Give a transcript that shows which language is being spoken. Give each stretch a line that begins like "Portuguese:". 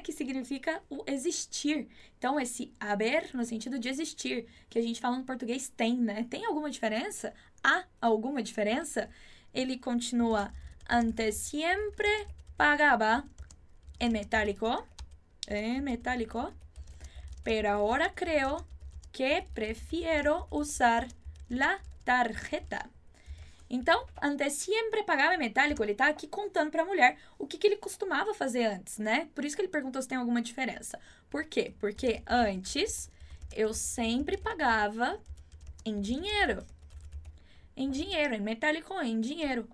Portuguese: Que significa o existir. Então, esse haber no sentido de existir, que a gente fala no português tem, né? ¿Tem alguma diferença? ¿Há alguma diferença? Ele continua,
Spanish: antes siempre pagaba en metálico. En metálico. Pero ahora creo que prefiero usar la tarjeta.
Portuguese: Então,
Spanish: antes siempre pagaba en metálico.
Portuguese: Ele está aqui contando para a mulher o que ele costumava fazer antes, né? Por isso que ele perguntou se tem alguma diferença. Por quê? Porque antes eu sempre pagava em dinheiro. Em dinheiro, em metálico, em dinheiro.